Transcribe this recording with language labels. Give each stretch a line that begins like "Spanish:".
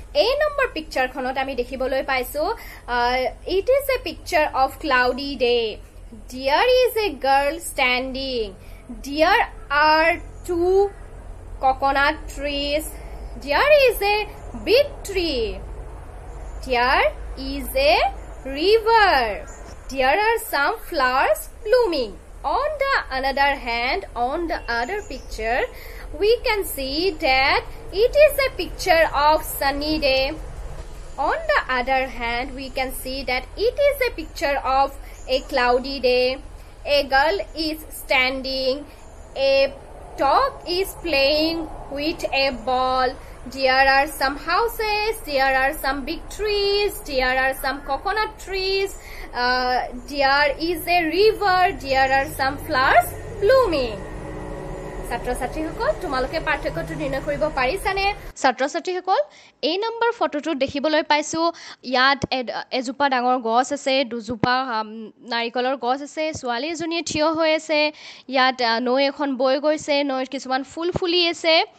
Assamese: এই নম্বৰ পিকচাৰখনত আমি দেখিবলৈ পাইছোঁ,
English: It is a picture of cloudy day, there is a girl standing, there are two coconut trees, there is a big tree, there is a river, there are some flowers blooming. On the another hand, on the other picture we can see that it is a picture of sunny day. On the other hand, we can see that it is a picture of a cloudy day. A girl is standing. A dog is playing with a ball. There are some houses. There are some big trees. There are some coconut trees. There is a river. There are some flowers blooming.
Assamese: ছাত্ৰ ছাত্ৰীসকল, তোমালোকে পাৰ্থক্যটো নিৰ্ণয় কৰিব পাৰিছানে? ছাত্ৰ ছাত্ৰীসকল, এই number ফটোটোত দেখিবলৈ পাইছোঁ ইয়াত এজোপা ডাঙৰ গছ আছে, দুজোপা নাৰিকলৰ গছ আছে, ছোৱালী এজনীয়ে থিয় হৈ আছে, ইয়াত নৈ এখন বৈ গৈছে, নৈত কিছুমান ফুল ফুলি আছে।